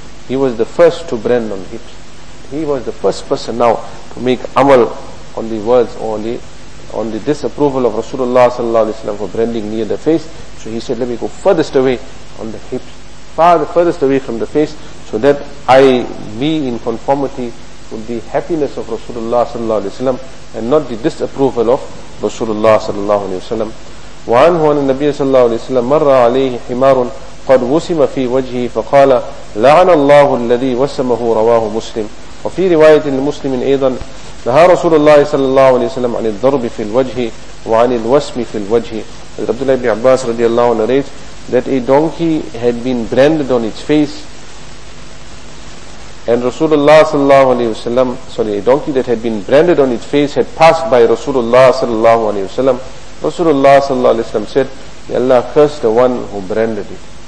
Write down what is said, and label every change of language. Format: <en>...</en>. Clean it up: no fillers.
<en>He was the first to brand on hips. He was the first person now to make amal on the words or on the disapproval of Rasulullah sallallahu alayhi wa sallam for branding near the face. So he said, let me go furthest away on the hips, furthest away from the face, so that I be in conformity with the happiness of Rasulullah sallallahu alayhi wa sallam and not the disapproval of Rasulullah sallallahu alayhi wa sallam.</en> <ar>وعنه أن النبي صلى الله عليه وسلم مر عليه حمار قد وسم في وجهه فقال لعن الله الذي وسمه رواه مسلم. وفي رواية لمسلم أيضا نهى رسول الله صلى الله عليه وسلم عن الضرب في الوجه وعن الوسم في الوجه.</ar> <en>عبد الله بن عباس رضي الله عنه narrates that a donkey had been branded on its face, and Rasulullah صلى الله عليه وسلم a donkey that had been branded on its face had passed by Rasulullah صلى الله عليه وسلم. Rasulullah sallallahu alayhi wa sallam said, may Allah curse the one who branded it.</en>